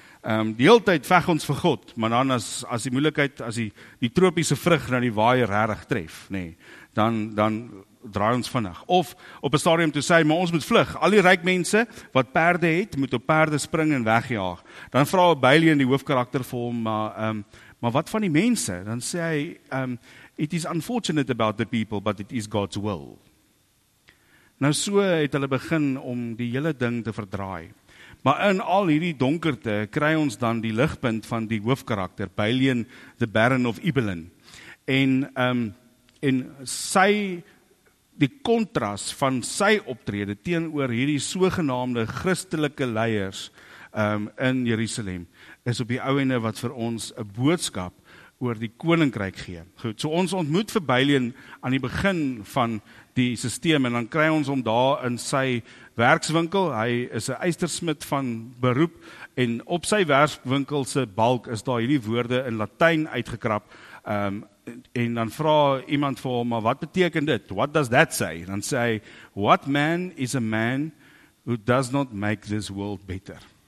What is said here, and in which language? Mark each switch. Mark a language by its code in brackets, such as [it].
[af] Die hele tyd veg ons vir God, maar dan as die moeilikheid, as die tropiese vrug na die waaier regtig tref, nee, dan draai ons vinnig. Of op 'n stadium toe sê, maar ons moet vlug. Al die ryk mense wat perde het, moet op perde spring en wegjaag. Dan vra Bailey in die hoofkarakter vir hom, maar wat van die mense? Dan sê hy, [en] it is unfortunate about the people, but it is God's will. [af] Nou so het hulle begin om die hele ding te verdraai. Maar in al hierdie donkerte kry ons dan die ligpunt van die hoofkarakter, Bailey the Baron of Ibelin. En sy, die kontras van sy optrede teenoor hierdie sogenaamde Christelike leiers in Jerusalem, is op die ouene wat vir ons 'n boodskap oor die koninkryk gee. Goed, so ons ontmoet vir Bailey aan die begin van die stelsel en dan kry ons hom daar in sy werkswinkel. Hy is 'n eystersmid van beroep en op sy werkswinkel se balk is daar hierdie woorde in Latyn uitgekrap. En dan vra iemand vir hom, maar wat beteken dit? [en] What does that say? [af] Dan sê hy, [en] what man is a man who does not make this world better?